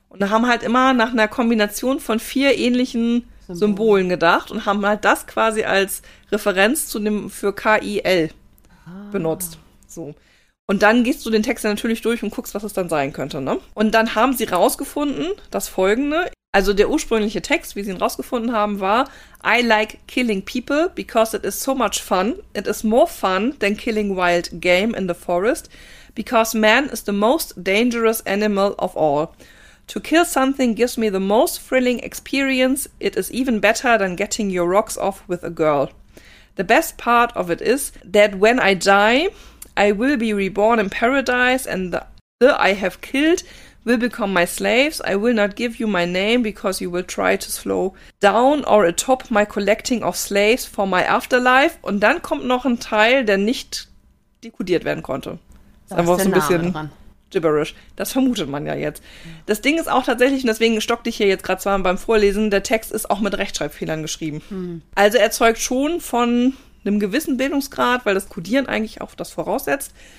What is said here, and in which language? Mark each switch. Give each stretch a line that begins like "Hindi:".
German: Und haben halt immer nach einer Kombination von vier ähnlichen Symbolen gedacht und haben halt das quasi als Referenz zu dem für KIL benutzt. So. Und dann gehst du den Text ja natürlich durch und guckst, was es dann sein könnte, ne? Und dann haben sie rausgefunden, das Folgende, also der ursprüngliche Text, wie sie ihn rausgefunden haben, war
English: I like killing people because it is so much fun. It is more fun than killing wild game in the forest because man is the most dangerous animal of all. To kill something gives me the most thrilling experience. It is even better than getting your rocks off with a girl. The best part of it is that when I die, I will be reborn in paradise and the I have killed will become my slaves. I will not give you my name because you will try to slow down or atop my collecting of slaves for my afterlife.
German: Und dann kommt noch ein Teil, der nicht dekodiert werden konnte. Da ist einfach der so ein Name bisschen dran.
English: Gibberish.
German: Das vermutet man ja jetzt. Das Ding ist auch tatsächlich, und deswegen stockte ich hier jetzt gerade zwar beim Vorlesen, der Text ist auch mit Rechtschreibfehlern geschrieben. Also erzeugt schon von einem gewissen Bildungsgrad, weil das Kodieren eigentlich auch das voraussetzt.